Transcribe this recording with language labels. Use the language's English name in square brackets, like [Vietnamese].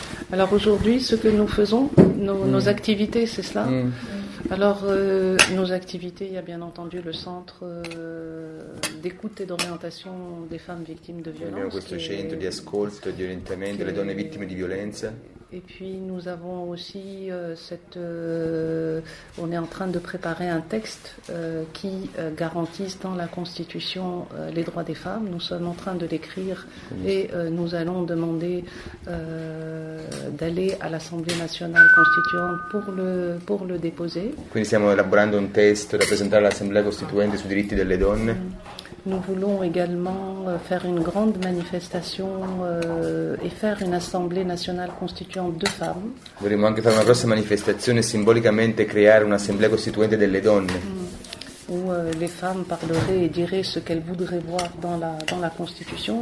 [French] Alors aujourd'hui, ce que nous faisons, nos activités, c'est cela. Alors nos activités, il y a bien entendu le centre d'écoute et d'orientation des femmes victimes de violences. [Italian] Abbiamo questo centro di ascolto e di orientamento delle donne vittime di violenza. [French] Et puis nous avons aussi cette. On est en train de préparer un texte qui garantisse dans la Constitution les droits des femmes. Nous sommes en train de l'écrire et nous allons demander d'aller à l'Assemblée nationale constituante pour le déposer. [Italian] Quindi stiamo elaborando un testo da presentare all'Assemblea costituente sui diritti delle donne. [French] Nous voulons également faire une grande manifestation et faire une assemblée nationale constituante de femmes. [Italian] Vorremmo anche fare una grossa manifestazione simbolicamente creare un'assemblea costituente delle donne. [French] Où les femmes parleraient et diraient ce qu'elles voudraient voir dans la Constitution.